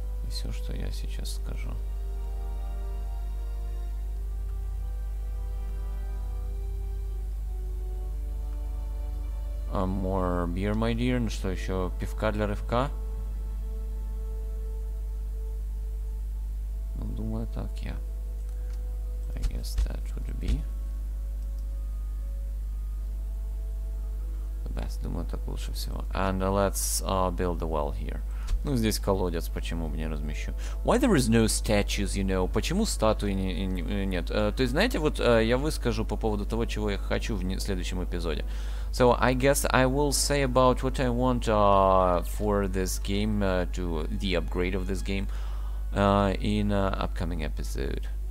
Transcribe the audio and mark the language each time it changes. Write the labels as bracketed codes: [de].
[ru] Все, что я сейчас скажу. [en] More beer, my dear. [ru] Ну что, еще пивка для рывка? Ну, думаю, так, я. [en] Yeah. I guess that would be the best. [ru] Думаю, так лучше всего. [en] And let's build the well here. [ru] Ну, здесь колодец, почему бы не размещу? [en] Why there is no statues, you know? [ru] Почему статуи нет? То есть, знаете, вот я выскажу по поводу того, чего я хочу в следующем эпизоде. [en] So, I guess I will say about what I want for this game, to the upgrade of this game, in upcoming episode.